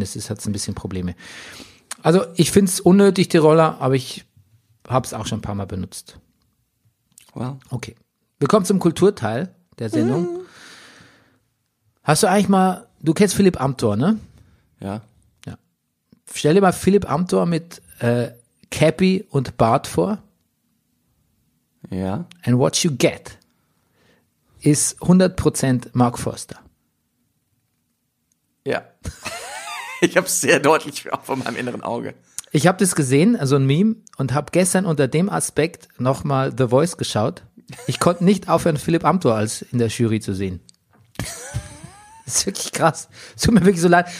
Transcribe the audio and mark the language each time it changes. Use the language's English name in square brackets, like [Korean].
[German] Das hat ein bisschen Probleme. Also ich finde es unnötig, die Roller, aber ich habe es auch schon ein paar Mal benutzt. [English] Well. [German] Okay. Willkommen zum Kulturteil der Sendung. Mm. Hast du eigentlich mal, du kennst Philipp Amthor, ne? Ja. Ja. Stell dir mal Philipp Amthor mit Cappy und Bart vor. Ja. [English] And what you get is 100% Mark Forster. [German] Ja. Ich hab's sehr deutlich auch vor meinem inneren Auge. Ich habe das gesehen, also ein Meme, und habe gestern unter dem Aspekt nochmal The Voice geschaut. Ich konnte nicht aufhören, Philipp Amthor als in der Jury zu sehen. Das ist wirklich krass. Es tut mir wirklich so leid.